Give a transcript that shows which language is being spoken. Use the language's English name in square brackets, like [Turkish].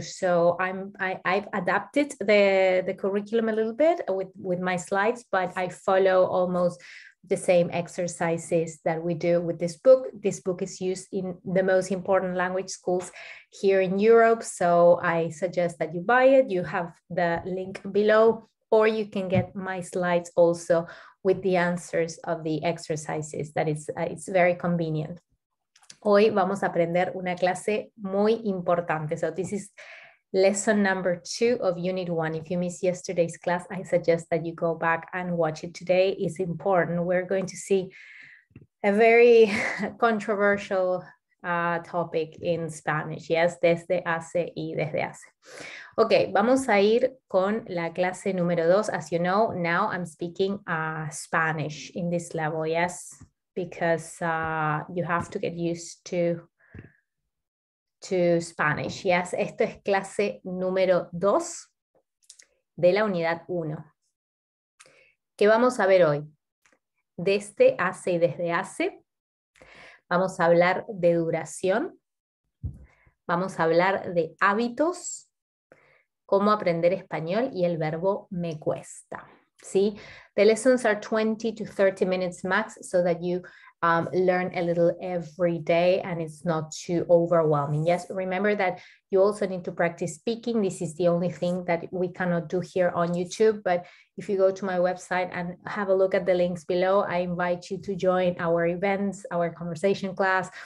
[English] So I've adapted the curriculum a little bit with my slides, but I follow almost the same exercises that we do with this book. This book is used in the most important language schools here in Europe, so I suggest that you buy it. You have the link below, or you can get my slides also with the answers of the exercises. That is, it's very convenient. [Spanish] Hoy vamos a aprender una clase muy importante. [English] So this is lesson number 2 of unit 1. If you missed yesterday's class, I suggest that you go back and watch it today. It's important. We're going to see a very controversial topic in Spanish. Yes, [Spanish] desde hace y desde hace. Okay, vamos a ir con la clase número 2. [English] As you know, now I'm speaking Spanish in this level. Yes, because you have to get used to Spanish. Yes, [Spanish] esto es clase número 2 de la unidad 1. ¿Qué vamos a ver hoy? Desde hace y desde hace. Vamos a hablar de duración. Vamos a hablar de hábitos, cómo aprender español y el verbo me cuesta. ¿Sí? [English] The lessons are 20 to 30 minutes max so that you learn a little every day and it's not too overwhelming. Yes, remember that you also need to practice speaking. This is the only thing that we cannot do here on YouTube, but if you go to my website and have a look at the links below, I invite you to join our events, our conversation class.